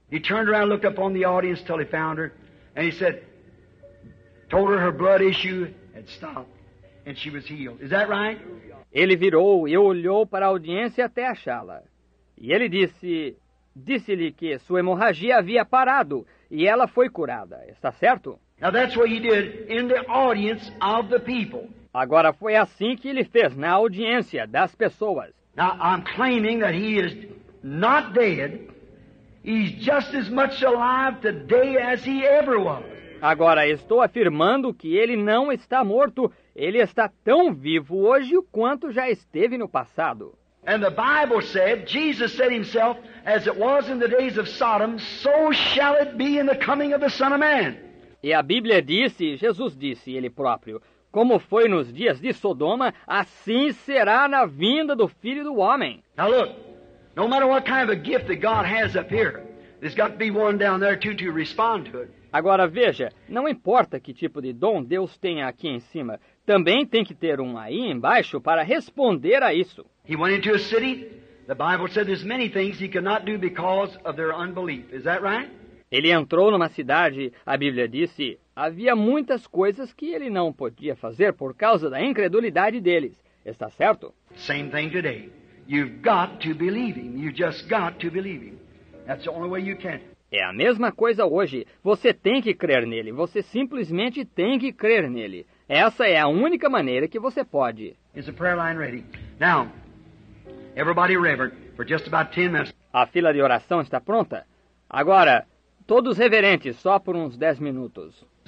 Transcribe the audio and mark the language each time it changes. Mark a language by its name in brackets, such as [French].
[English] He turned around, looked up on the audience till he found her, and he said, told her her blood issue had stopped, and she was healed. Is that right? [Portuguese] Ele virou e olhou para a audiência até achá-la. E ele disse-lhe que sua hemorragia havia parado, e ela foi curada. Está certo? [English] Now that's what he did in the audience of the people. [Portuguese] Agora foi assim que ele fez na audiência das pessoas. [English] Now I'm claiming that he is not dead. He's just as much alive today as he ever was. [Portuguese] Agora estou afirmando que ele não está morto. Ele está tão vivo hoje quanto já esteve no passado. [English] And the Bible said, Jesus said himself, as it was in the days of Sodom, so shall it be in the coming of the Son of Man. [Portuguese] E a Bíblia disse, Jesus disse ele próprio, como foi nos dias de Sodoma, assim será na vinda do Filho do Homem. [English] Now look, no matter what kind of a gift that God has up here, there's got to be one down there too to respond to it. [Portuguese] Agora veja, não importa que tipo de dom Deus tenha aqui em cima, também tem que ter um aí embaixo para responder a isso. [English] He went into a city. The Bible said there's many things he cannot do because of their unbelief. Is that right? [Portuguese] Ele entrou numa cidade, a Bíblia disse, havia muitas coisas que ele não podia fazer por causa da incredulidade deles. Está certo? [English] Same thing today. You've got to believe him. You've just got to believe him. That's the only way you can. [Portuguese] É a mesma coisa hoje. Você tem que crer nele. Você simplesmente tem que crer nele. Essa é a única maneira que você pode. [English] Is the prayer line ready? Now, everybody reverent for just about 10 minutes. [Portuguese] A fila de oração está pronta? Agora, todos reverentes, só por uns 10 minutos.